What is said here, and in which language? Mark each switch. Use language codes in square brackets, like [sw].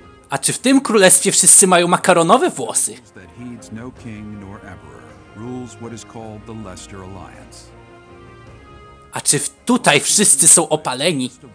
[pl] A czy w tym królestwie wszyscy mają makaronowe włosy? [en] That heeds no king nor emperor, rules what is called the Lester Alliance. [pl] A czy tutaj wszyscy są opaleni?